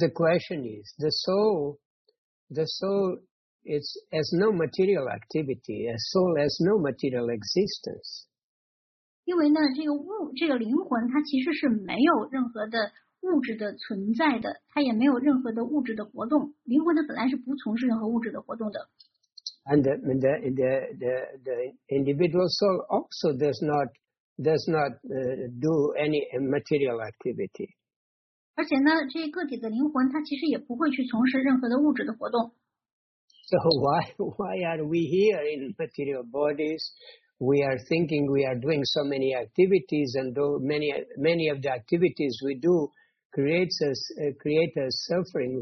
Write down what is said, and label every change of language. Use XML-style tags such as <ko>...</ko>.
<en>the question is, the soul it's has no material activity. A soul has no material existence.</en> <zh>因为呢，这个物，这个灵魂，它其实是没有任何的物质的存在的，它也没有任何的物质的活动。灵魂它本来是不从事任何物质的活动的。And</zh> <en>the individual soul also does not do any material activity.</en> <zh>而且呢，这个个体的灵魂，它其实也不会去从事任何的物质的活动。</zh> <en>So why are we here in material bodies? We are thinking we are doing so many activities, and though many of the activities we do create us suffering.</en>